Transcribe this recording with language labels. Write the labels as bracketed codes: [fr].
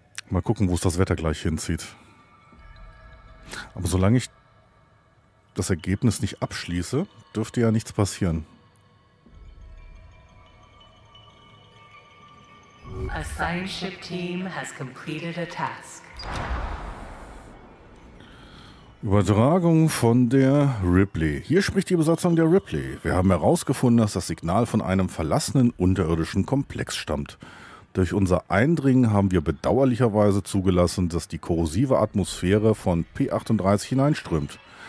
[de] Mal gucken, wo es das Wetter gleich hinzieht. Aber solange ich das Ergebnis nicht abschließe, dürfte ja nichts passieren. [en] Assigned ship team has completed a task. [de] Übertragung von der Ripley. Hier spricht die Besatzung der Ripley. Wir haben herausgefunden, dass das Signal von einem verlassenen unterirdischen Komplex stammt. Durch unser Eindringen haben wir bedauerlicherweise zugelassen, dass die korrosive Atmosphäre von P38 hineinströmt.